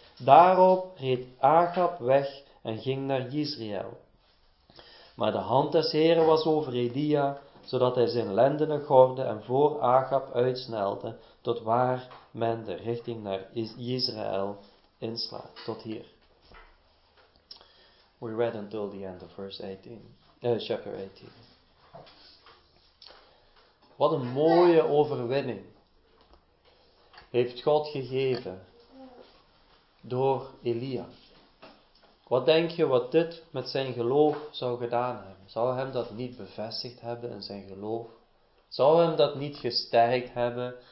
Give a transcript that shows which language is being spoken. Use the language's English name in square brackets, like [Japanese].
[Dutch] Daarop reed Achab weg en ging naar Jezreel. Maar de hand des Heren was over Elia, zodat hij zijn lendenen gordde en voor Achab uitsnelde, tot waar men de richting naar Jezreel inslaat. Tot hier. [English] We read until the end of verse 18, chapter 18. [Dutch] Wat een mooie overwinning heeft God gegeven door Elia. Wat denk je wat dit met zijn geloof zou gedaan hebben? Zou hem dat niet bevestigd hebben in zijn geloof? Zou hem dat niet gesterkt hebben?